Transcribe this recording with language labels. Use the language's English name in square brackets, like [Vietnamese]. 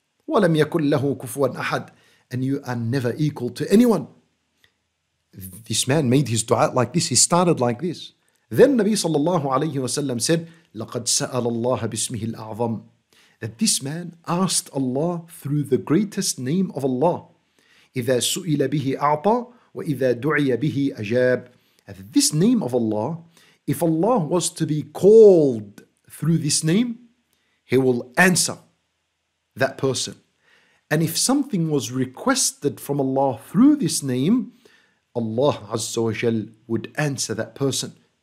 [Arabic] Wa lam yakul lahu kufuwan ahad. [English] And you are never equal to anyone. This man made his dua like this. He started like this. Then Nabi sallallahu alayhi wa sallam said, [Arabic] لَقَدْ سَأَلَ اللَّهَ بِاسْمِهِ الْأَعْظَمِ. [English] That this man asked Allah through the greatest name of Allah. [Arabic] إِذَا سُئِلَ بِهِ أَعْطَى وَإِذَا دُعِيَ بِهِ أَجَابَ. [English] That this name of Allah, if Allah was to be called through this name, he will answer that person. And if something was requested from Allah through this name, Allah Azza wa Jal would answer that person.